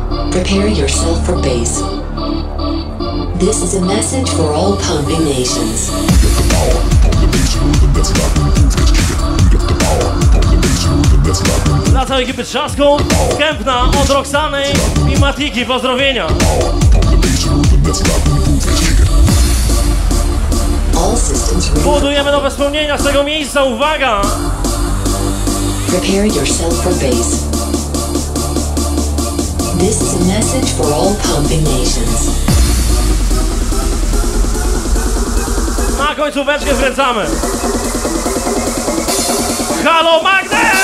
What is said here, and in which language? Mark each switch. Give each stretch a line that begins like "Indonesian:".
English: Prepare yourself for bass. This is a message for all pumping nations. We got the power, pump the bass rhythm, that's about to move, let's kick it. We got the power, pump the bass rhythm, that's about to move.
Polish: Na całej ekipy Trzasku, Kępna, od Roxany i Matiki, pozdrowienia. Budujemy nowe wspomnienia z tego miejsca, uwaga!
English: Prepare yourself for bass. This is a message for all pumping nations.
Polish: końcóweczkę zlecamy. Halo Magda!